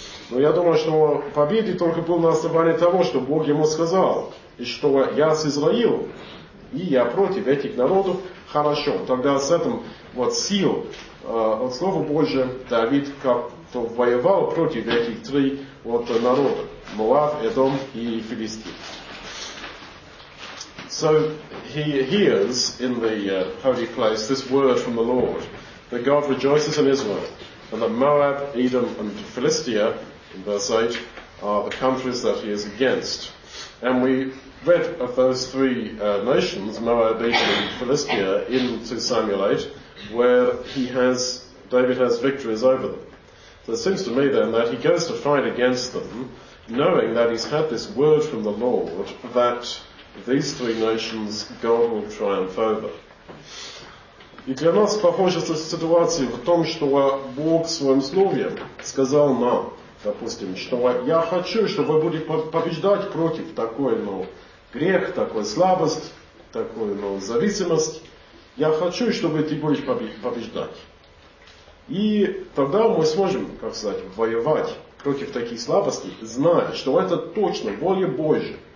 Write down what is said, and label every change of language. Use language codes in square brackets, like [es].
[ru] Но я думаю, что победа только была на основании того, что Бог ему сказал, и что я с Израилом, и я против этих народов, хорошо. Тогда с этим вот сил от Слова Божия Давид как-то воевал против этих трех вот народов, Моав, Эдом и Филистим. [en] So he hears in the holy place this word from the Lord, that God rejoices in Israel, and that Moab, Edom, and Philistia, in verse 8, are the countries that he is against. And we read of those three nations, Moab, Edom, and Philistia, in 2 Samuel 8, where David has victories over them. So it seems to me then that he goes to fight against them, knowing that he's had this word from the Lord that these three nations God will triumph over. [ru] И для нас похожа ситуация в том, что Бог своим словом сказал нам, допустим, что я хочу, чтобы вы будете побеждать против такой, ну, грех, такой слабость, такой, ну, зависимость. Я хочу, чтобы ты будешь побеждать. И тогда мы сможем, как сказать, воевать против таких слабостей, зная, что это точно воля Божья.